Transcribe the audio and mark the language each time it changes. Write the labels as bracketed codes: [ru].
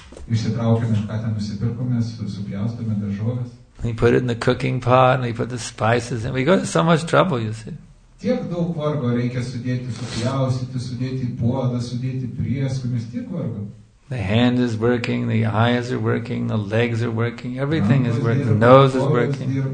[lt] Išsitraukiame, ką ten nusipirkome, supjaustome daržoves. [en] We put it in the cooking pot, and we put the spices in. We go to so much trouble, you see. [lt] Tiek daug vargo reikia sudėti, supjaustyti, sudėti puodą, sudėti prieskonius, tiek vargo. [en] The hand is working, the eyes are working, the legs are working, everything is working, the nose is working.